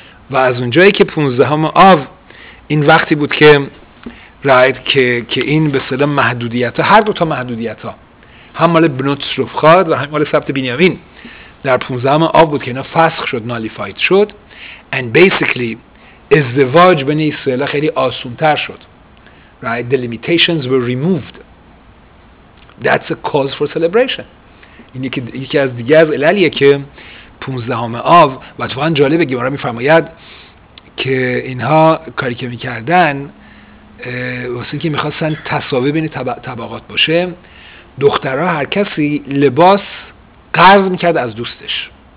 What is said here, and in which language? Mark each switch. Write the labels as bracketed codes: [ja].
[fa] و از اونجایی که 15 آب این وقتی بود که رایت که این به صدا محدودیت ها، هر دوتا محدودیت ها، هم مال بنوت سروفخاد و هم مال سبت بنیامین، در 15 آب بود که اینا فسخ شد، نالیفاید شد، [en] and basically [fa] ازدواج بین اسرائیل خیلی آسونتر شد. [en] Right, the limitations were removed. That's a cause for celebration. [fa] اینی که یکی از دیگه از علالیه که 15 آب، و تو این جالبه گمارا میفرماید که اینها کاری که میکردن واسه اینکه میخواستن تساوی بین طبقات باشه، دخترها هر کسی لباس قرض میکرد از دوستش.